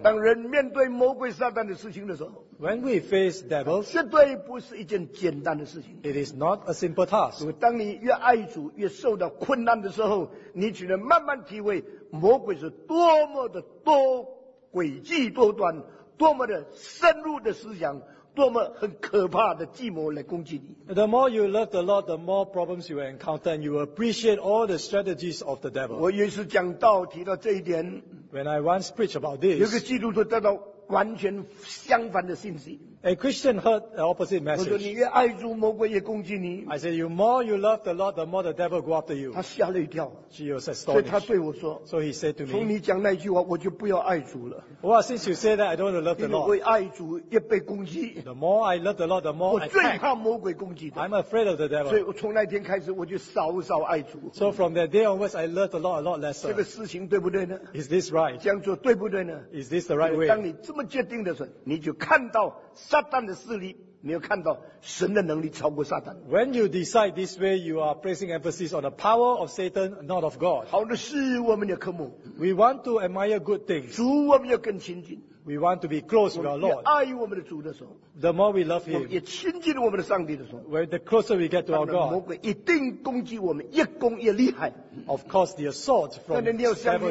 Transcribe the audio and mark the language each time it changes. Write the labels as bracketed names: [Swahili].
[Chinese] 当人面对魔鬼撒旦的事情的时候。 [English] When we face devils. [Chinese] 绝对不是一件简单的事情。 [English] It is not a simple task. [Chinese] 所以当你越爱主越受到困难的时候你只能慢慢体会魔鬼是多么的多诡计多端多么的深入的思想多么很可怕的计谋来攻击你。 [English] The more you love the Lord, the more problems you encounter, and you appreciate all the strategies of the devil. [Chinese] 我有一次讲道提到这一点。 [English] When I once preach about this, [Chinese] 有个基督徒得到完全相反的信息。 [English] A Christian heard the opposite message. [Chinese] 我说你越爱主，魔鬼越攻击你。 [English] I said, the more you love the Lord, the more the devil go after you. [Chinese] 他吓了一跳。 [English] She was astonished. [Chinese] 所以他对我说, [English] so he said to me, [Chinese] 从你讲那句话, 我就不要爱主了。 [English] Well, since you say that, I don't love the Lord. [Chinese] 因为我爱主越被攻击。 [English] The more I love the Lord, the more [Chinese] 我最怕魔鬼攻击的。 [English] I'm afraid of the devil. [Chinese] 所以从那天开始, 我就少少爱主。 [English] So from that day onwards, I love the Lord a lot lesser. [Chinese] 这个事情对不对呢? [English] Is this right? [Chinese] 这样做对不对呢? [English] Is this the right way? [Chinese] 当你这么决定的时候, 你就看到 撒旦的势力，没有看到神的能力超过撒旦。 [English] When you decide this way, you are placing emphasis on the power of Satan, not of God. [Chinese] 好的事我们也渴慕。 [English] We want to admire good things. [Chinese] 主我们要更亲近。 [English] We want to be close with our Lord. [Chinese] 我们也爱我们的主的时候, [English] the more we love Him, [Chinese] 我们也亲近我们的上帝的时候, [English] where the closer we get to our God, [Chinese] 魔鬼一定攻击我们, 越攻越厉害。 [English] Of course, the assault from the devil